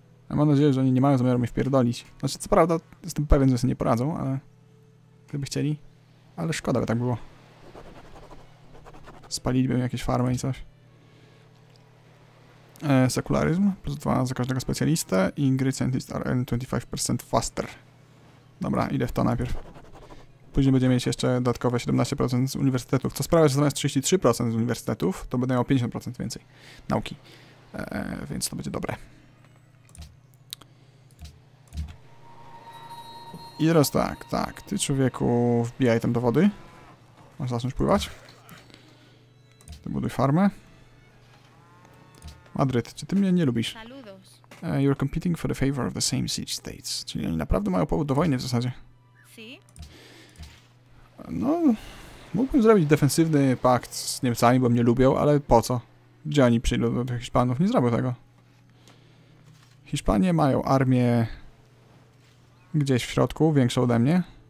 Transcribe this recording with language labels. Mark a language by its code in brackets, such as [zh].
[pl] Ja mam nadzieję, że oni nie mają zamiaru mnie wpierdolić. Znaczy, co prawda, jestem pewien, że sobie nie poradzą, ale... Gdyby chcieli. Ale szkoda by tak było. Spaliliby jakieś farmy i coś. Sekularyzm. Plus 2 za każdego specjalistę. [en] I Great Scientists are 25% faster. [pl] Dobra, idę w to najpierw. Później będziemy mieć jeszcze dodatkowe 17% z uniwersytetów. Co sprawia, że zamiast 33% z uniwersytetów, to będę miał 50% więcej nauki. Więc to będzie dobre. I teraz tak, tak. Ty, człowieku, wbijaj tam do wody. Masz zacząć pływać. Ty buduj farmę. Madryt, czy ty mnie nie lubisz? [en] You're competing for the favor of the same city states. [pl] Czyli oni naprawdę mają powód do wojny w zasadzie. No, mógłbym zrobić defensywny pakt z Niemcami, bo mnie lubią, ale po co? Gdzie oni przyjdą do Hiszpanów? Nie zrobią tego. Hiszpanie mają armię gdzieś w środku, większą ode mnie.